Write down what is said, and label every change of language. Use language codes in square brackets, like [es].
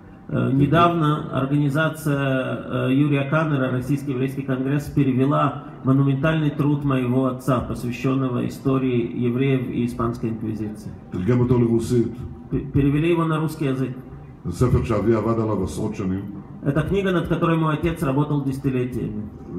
[ru] Недавно организация Юрия Каннера, Российский еврейский конгресс, перевела монументальный труд моего отца, посвященного истории евреев и испанской инквизиции. [he] תרגם אותו לרוסית. [ru] Перевели его на русский язык. [he] ספר שאבי עבד עליו עשרות שנים. [ru] Это книга, над которой мой отец работал десятилетиями.